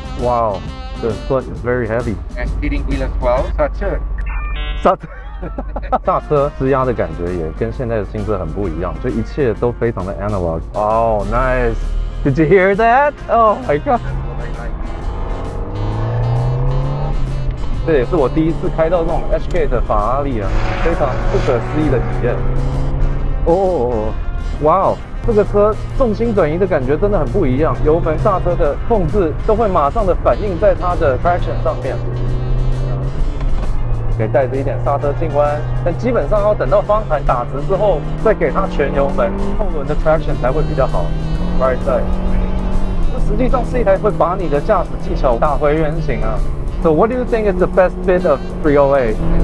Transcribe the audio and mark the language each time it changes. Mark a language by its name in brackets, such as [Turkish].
[English] Wow, the clutch is very heavy. And steering wheel as well. [Chinese] 刹车。刹车。刹车施压的感觉也跟现在的新车很不一样，就一切都非常的 analog. [English] Oh, nice. Did you hear that? Oh my god. [Chinese] 这也是我第一次开到这种 HK 的法拉利啊，非常不可思议的体验。哦，哇哦，这个车重心转移的感觉真的很不一样，油门、刹车的控制都会马上的反映在它的 traction 上面。可以带着一点刹车进弯，但基本上要等到方向盘打直之后，再给它全油门，后轮的 traction 才会比较好。 [English] Right side， [Chinese] 这实际上是一台会把你的驾驶技巧打回原形啊。 [English] So what do you think is the best bit of 308?